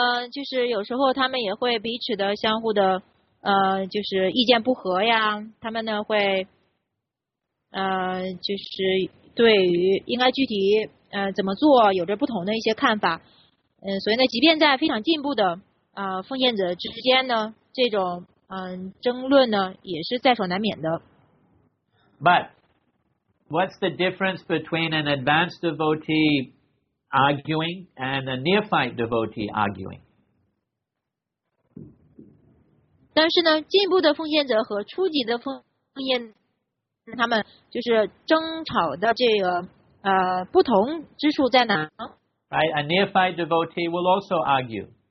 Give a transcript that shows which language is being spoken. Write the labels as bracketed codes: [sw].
[zh] 就是有时候他们也会彼此的相互的就是意见不合呀，他们呢会就是对于应该具体怎么做有着不同的一些看法，所以呢即便在非常进步的奉献者之间呢，这种争论呢也是在所难免的。 [en] But what's the difference between an advanced devotee arguing and a neophyte devotee arguing? [zh] 但是呢，进步的奉献者和初级的奉献者，他们就是争吵的这个不同之处在哪？ [en] Right, a neophyte devotee will also argue.